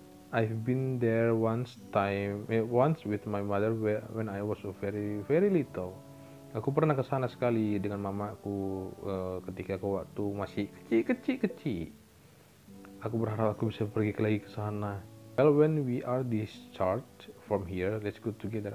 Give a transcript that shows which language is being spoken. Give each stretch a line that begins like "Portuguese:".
English: I've been there once with my mother when I was very very little.
Indonesian: Aku pernah ke sana sekali dengan mamaku ketika aku waktu masih kecil. Aku berharap aku bisa pergi lagi ke sana.
English: Well, when we are discharged from here, let's go together.